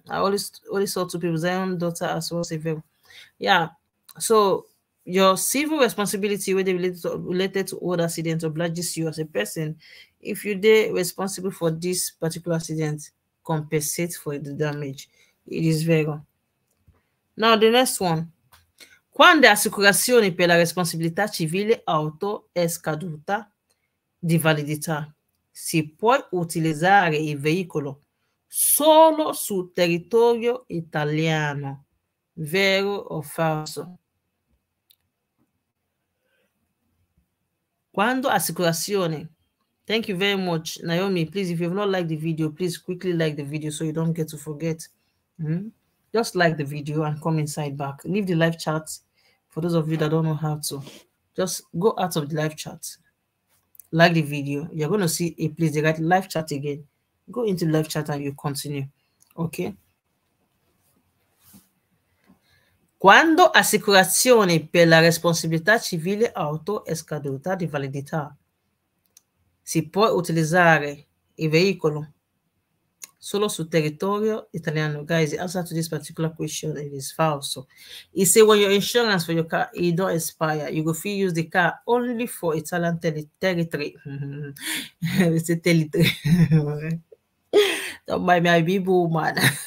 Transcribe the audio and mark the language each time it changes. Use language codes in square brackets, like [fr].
[en] I always saw two people, Zion daughter as well, say vero. Yeah. So your civil responsibility whether related to road accident obliges you as a person. If you're there responsible for this particular accident, compensate for the damage. It is vero. Now the next one. [it] Quando assicurazione per la responsabilità civile auto è scaduta di validità, si può utilizzare il veicolo solo sul territorio italiano, vero o falso? Quando assicurazione. [en] Thank you very much, Naomi. Please, if you've not liked the video, please quickly like the video so you don't get to forget. Just like the video and come inside back. Leave the live chat for those of you that don't know how to. Just go out of the live chat. Like the video. You're going to see a place to write live chat again. Go into live chat and you continue. Ok? [it] Quando assicurazione per la responsabilità civile auto è scaduta di validità, si può utilizzare il veicolo solo sul territorio italiano. [en] Guys, the answer to this particular question it is false. You say when your insurance for your car it don't expire, you go free use the car only for Italian territory. It's a territory. Don't mind me, I be bull man.